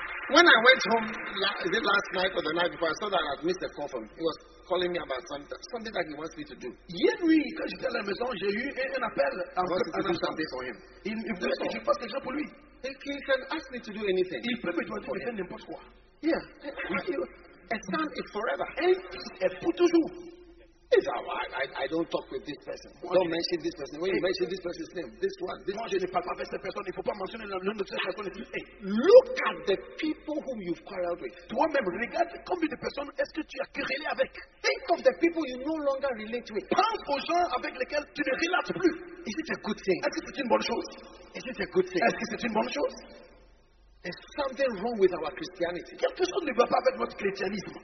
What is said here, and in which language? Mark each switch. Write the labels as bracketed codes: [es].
[en] When I went home, is it last night or the night before, I saw that I had missed a call from him. He was calling me about something that he wants me to do. [fr] Yeah, oui, quand j'étais à la maison, j'ai eu un appel. [en] I want to do something for him. [fr] Je passe quelque chose pour lui. [en] He can ask me to do anything. [fr] Il peut me demander de faire n'importe quoi. [en] Yeah. A son is forever. [fr] Et pour toujours. [en] It's all right. I don't talk with this person. Moi, don't mention this person. When you mention this person's name, this one. This [fr] moi, je ne parle pas avec cette personne. Il ne faut pas mentionner le nom de cette personne. [en] Hey, look at the people whom you've quarreled with. [fr] Toi-même, regarde combien de personnes est-ce que tu as querellé avec. [en] Think of the people you no longer relate with. [fr] Pense aux gens avec lesquels tu ne relates plus. [en] Is it a good thing? [fr] Est-ce que c'est une bonne chose? [en] Is it a good thing? [fr] Est-ce que c'est une bonne chose? [en] There's something wrong with our Christianity. [fr] Quelque chose ne va pas avec notre christianisme.